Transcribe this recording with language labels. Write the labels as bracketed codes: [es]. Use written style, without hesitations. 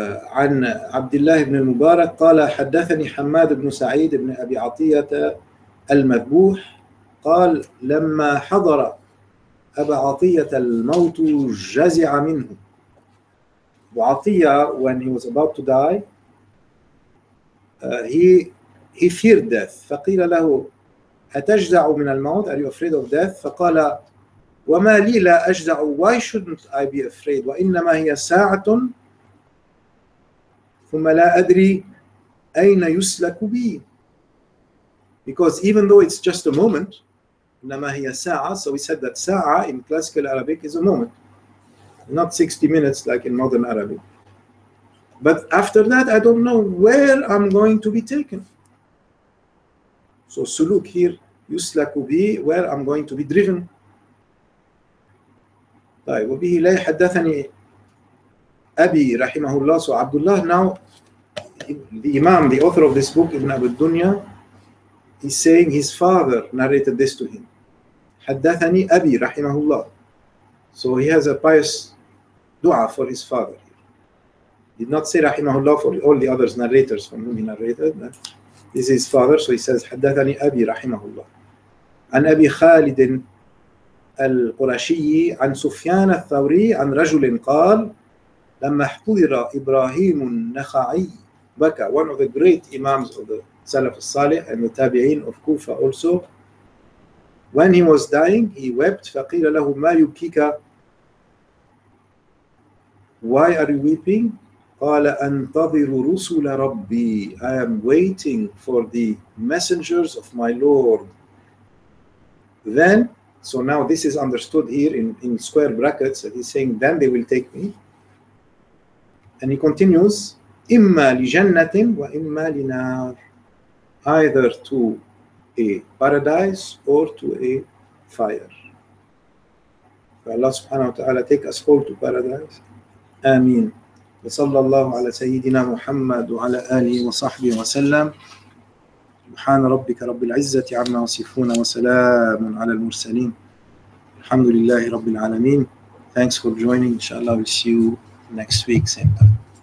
[ar] عن عبد الله بن المبارك قال حدثني حماد بن سعيد بن أبي عطية المذبوح قال لما حضر أبا عطية الموت جزع منه. [en] وعطية, when he was about to die, he feared death. [ar] فقيل له أتجزع من الموت, [en] are you afraid of death؟ [ar] فقال وما لي لا أجزع, [en] why shouldn't I be afraid, [ar] وإنما هي ساعة ثم لا أدري أين يسلك بي. [en] Because even though it's just a moment, [ar] إنما هي ساعة, [en] so we said that ساعة in classical Arabic is a moment, not 60 minutes like in modern Arabic. But after that, I don't know where I'm going to be taken. So سلوك here, [ar] يسلك بي, [en] where I'm going to be driven. [ar] طيب, وبه لا حدثني أبي رحمه الله. [en] So عبد الله, now the Imam, the author of this book, Ibn Abu Dunya, he's saying his father narrated this to him. [ar] حدثني أبي رحمه الله. [en] So he has a pious dua for his father. He did not say [ar] رحمه الله [en] for all the other narrators from whom he narrated. This is his father, so he says [ar] حدثني أبي رحمه الله. عن أبي خالد القرشي عن سفيان الثوري عن رجل قال لما احتضر إبراهيم النخعي بكى. [en] One of the great imams of the Salaf al-Salih and the Tabi'in of Kufa also. When he was dying, he wept. [ar] فقيل له ما يبكيك؟ [en] Why are you weeping? [ar] قال أنتظر رسول ربي. [en] I am waiting for the messengers of my Lord. Then, so now this is understood here in square brackets. He's saying then they will take me. And he continues, [ar] إما لجنة وإما لنار. [en] Either to a paradise or to a fire. [ar] فالله سبحانه وتعالى [en] take us all to paradise. [ar] آمين. وصلى الله على سيدنا محمد وعلى آله وصحبه وسلم. سبحان ربك رب العزة عما يصفون وسلام على المرسلين. الحمد لله رب العالمين. [en] Thanks for joining. [ar] إن شاء الله [en] we'll see you next week. Same time.